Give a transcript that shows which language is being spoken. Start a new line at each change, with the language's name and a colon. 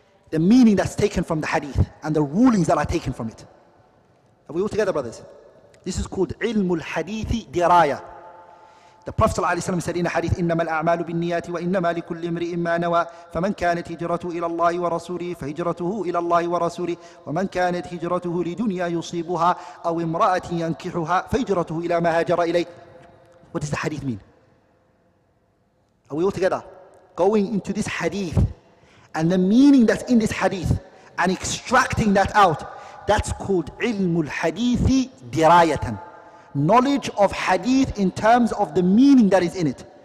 English: The meaning that's taken from the hadith and the rulings that are taken from it. Are we all together, brothers? This is called ilmul hadithi diraya. The Prophet
Arabic: صلى الله عليه وسلم
English: said in a hadith,
Arabic: إنما الأعمال بالنيات وإنما لكل امرئ ما نوى فمن كانت هجرته إلى الله ورسوله فهجرته إلى الله ورسوله ومن كانت هجرته لدنيا يصيبها أو امرأة ينكحها فهجرته إلى ما هاجر إليه.
English: What does the hadith mean? Are we all together? Going into this hadith and the meaning that's in this hadith and extracting that out, that's called ilmu al-hadithi dirayatan. Knowledge of hadith in terms of the meaning that is in it.